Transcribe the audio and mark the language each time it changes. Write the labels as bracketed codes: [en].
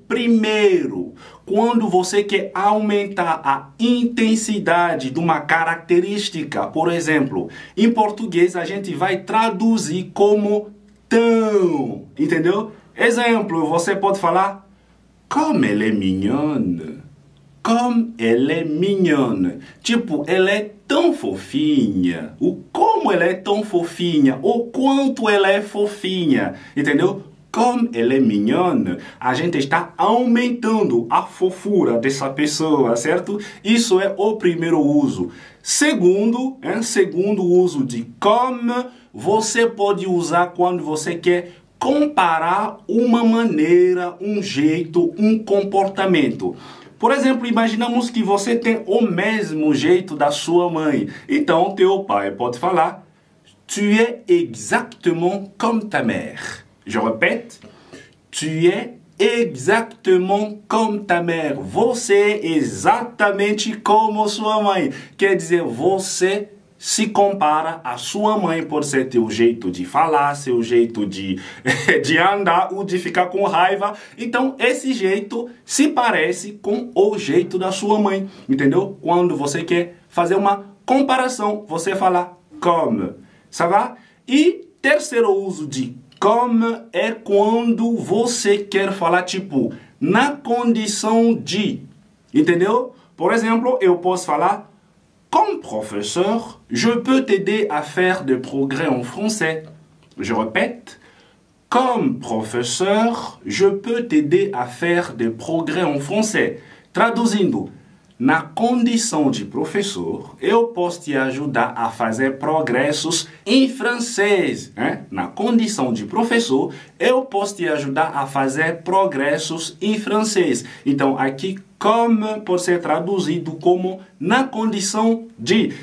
[pt] Primeiro, quando você quer aumentar a intensidade de uma característica, por exemplo, em português a gente vai traduzir como tão, entendeu? Exemplo, você pode falar: [fr] Comme elle est mignonne. Comme elle est mignonne. [pt] Tipo, ela é tão fofinha. O como ela é tão fofinha. O quanto ela é fofinha. Entendeu? [fr] Comme elle est mignonne. [pt] A gente está aumentando a fofura dessa pessoa, certo? Isso é o primeiro uso. Segundo, hein? Segundo uso de comme, você pode usar quando você quer comparar uma maneira, um jeito, um comportamento. Por exemplo, imaginamos que você tem o mesmo jeito da sua mãe. Então, teu pai pode falar: [fr] Tu es exactement comme ta mère. Je répète: Tu es exactement comme ta mère. [pt] Você é exatamente como sua mãe. Quer dizer, você se compara a sua mãe por ser teu jeito de falar, seu jeito de andar ou de ficar com raiva. Então, esse jeito se parece com o jeito da sua mãe, entendeu? Quando você quer fazer uma comparação, você fala comme, sabe? E terceiro uso de comme é quando você quer falar, tipo, na condição de, entendeu? Por exemplo, eu posso falar: [fr] Comme professeur, je peux t'aider à faire des progrès en français. Je répète. Comme professeur, je peux t'aider à faire des progrès en français. [pt] Traduzindo, na condição de professor, eu posso te ajudar a fazer progressos em francês. Hein? Na condição de professor, eu posso te ajudar a fazer progressos em francês. Então, aqui, comme pode ser traduzido como na condição de.